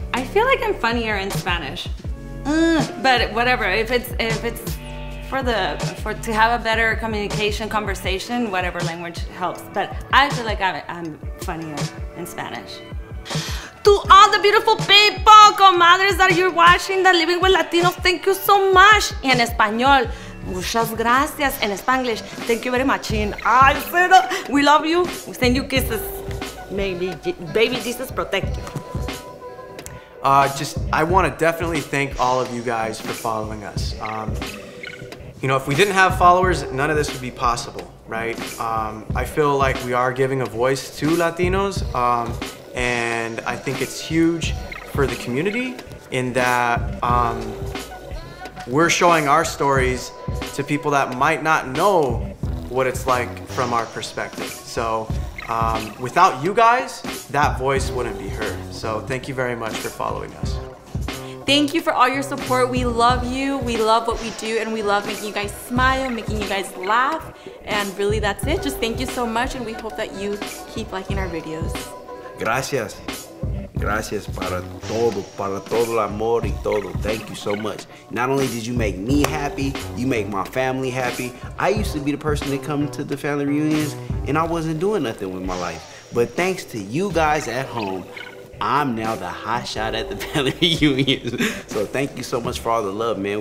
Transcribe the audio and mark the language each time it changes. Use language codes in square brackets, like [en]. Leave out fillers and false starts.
[en] I feel like I'm funnier in Spanish. But whatever, if it's for to have a better communication, conversation, whatever language helps. But I feel like I'm funnier in Spanish. To all the beautiful people, comadres, that you're watching the Living with Latinos, thank you so much. [es] Y en español, muchas gracias. En Spanglish, [en] thank you very much. We love you. We send you kisses. Maybe baby Jesus protect you. I want to definitely thank all of you guys for following us. You know, if we didn't have followers, none of this would be possible, right? I feel like we are giving a voice to Latinos. And I think it's huge for the community in that we're showing our stories to people that might not know what it's like from our perspective. So without you guys, that voice wouldn't be heard. So thank you very much for following us. Thank you for all your support. We love you. We love what we do, and we love making you guys smile, making you guys laugh. And really, that's it. Just thank you so much, and we hope that you keep liking our videos. [es] Gracias. Gracias para todo el amor y todo. [en] Thank you so much. Not only did you make me happy, you make my family happy. I used to be the person that come to the family reunions and I wasn't doing nothing with my life. But thanks to you guys at home, I'm now the hot shot at the family reunions. So thank you so much for all the love, man.